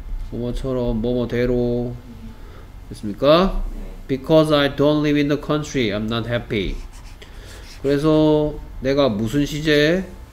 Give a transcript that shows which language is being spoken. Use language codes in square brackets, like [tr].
[ko] 뭐뭐처럼 뭐뭐대로 됐습니까? [en] Because I don't live in the country, I'm not happy. [ko] 그래서 내가 무슨 시제에?